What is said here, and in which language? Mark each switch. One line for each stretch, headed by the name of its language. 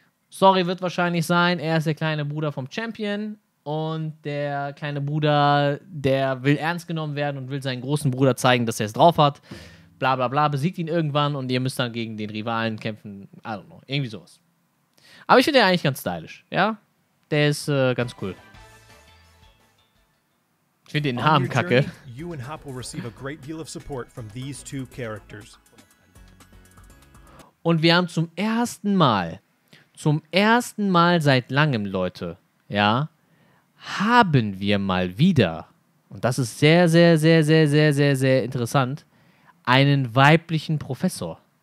German: Sorry wird wahrscheinlich sein, er ist der kleine Bruder vom Champion und der kleine Bruder, der will ernst genommen werden und will seinen großen Bruder zeigen, dass er es drauf hat. Bla bla bla, besiegt ihn irgendwann und ihr müsst dann gegen den Rivalen kämpfen,
English: I don't know,
German: irgendwie sowas. Aber ich finde den eigentlich ganz stylisch, ja. Der ist ganz cool. Ich finde den Namen kacke.
English: You and Hop will receive a great deal of support from these two characters.
German: Und wir haben zum ersten Mal seit langem, Leute, ja, haben wir mal wieder, und das ist sehr, sehr, sehr, sehr, sehr, sehr, sehr interessant, einen weiblichen Professor.